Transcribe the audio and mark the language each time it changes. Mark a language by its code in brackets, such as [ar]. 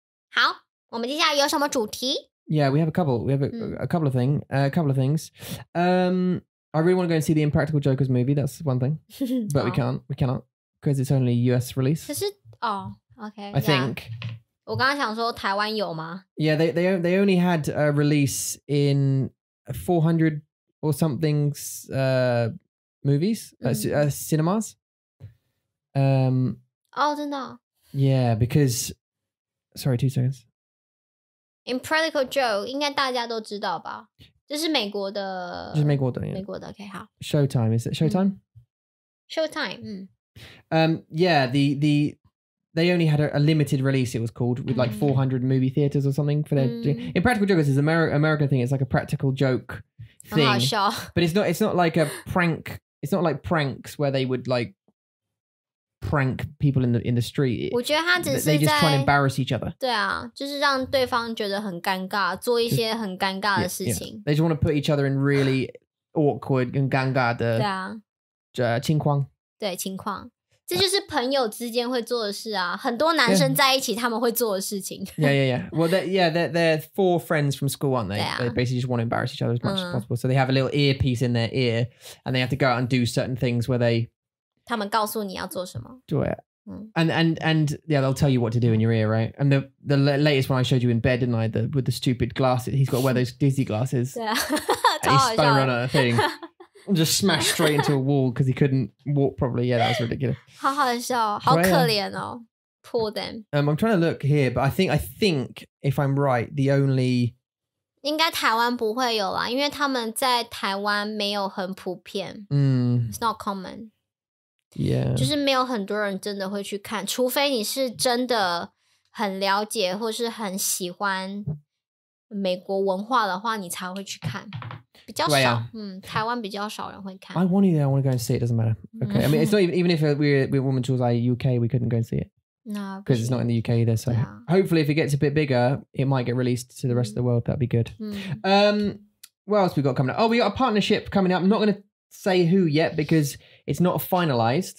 [zh] 好我们接下来有什么主题 [en] Yeah, we have a couple We have a,、嗯、a couple of things A couple of things I really want to go and see the Impractical Jokers movie. That's one thing. But 、oh. we cannot. Because it's only US release. [zh] 可是 [en] oh, okay. I、 think. [zh] 我刚刚想说台湾有吗 [en] Yeah, they only had a release in 400 or something's movies.、Mm. Cinemas. [zh] Oh, 真的 [en] Yeah, because... Sorry, 2 seconds. [zh] Impractical Joke, 应该大家都知道吧这是美国的，这是美国的，美国的。OK， 好。 [en] Showtime is it Showtime?、嗯、Showtime， 嗯。 Yeah, the they only had a limited release. It was called with like 400 movie theaters or something for their、嗯、Impractical Jokers is American thing. It's like a practical joke thing. [zh] 很好笑。 [en] But it's not like a prank. It's not like pranks where they would like prank people in the street. [zh] 我觉得他只是 [en] they just try and embarrass each other. [zh] 对啊，就是让对方觉得很尴尬，做一些很尴尬的事情。 [en] Yeah, yeah. They just want to put each other in really awkward and [zh] 尴尬的对啊，情况。对情况，这就是朋友之间会做的事啊。很多男生在一起他们会做的事情。 [en] Yeah, yeah, yeah. Well, they're four friends from school, aren't they?、啊、 they basically just want to embarrass each other as much、嗯、as possible. So they have a little earpiece in their ear, and they have to go out and do certain things where they. [zh] 他们告诉你要做什么。对、嗯。 [en] And yeah, they'll tell you what to do in your ear, right? And the latest one I showed you in bed, didn't I? The, with the stupid glasses. He's got to wear those dizzy glasses. Yeah. He spun around at a thing. And just smashed straight into a wall because he couldn't walk properly. Yeah, that was ridiculous. [zh] 好好笑好可怜哦 [en] Poor them. I'm trying to look here, but I think, if I'm right, the only... [zh] 应该台湾不会有啦因为他们在台湾没有很普遍。嗯。 [en] It's not common. Yeah. [zh] 就是没有很多人真的会去看除非你是真的很了解或是很喜欢美国文化的话你才会去看比较少、啊、嗯，台湾比较少人会看 [en] I want you there, I want to go and see it, it doesn't matter Okay, I mean it's not even if we woman chose like UK we couldn't go and see it because it's not in the UK either so、 yeah. hopefully if it gets a bit bigger it might get released to the rest of the world that'd be good what else we got coming up oh we got a partnership coming up I'm not going toSay who yet because it's not finalized、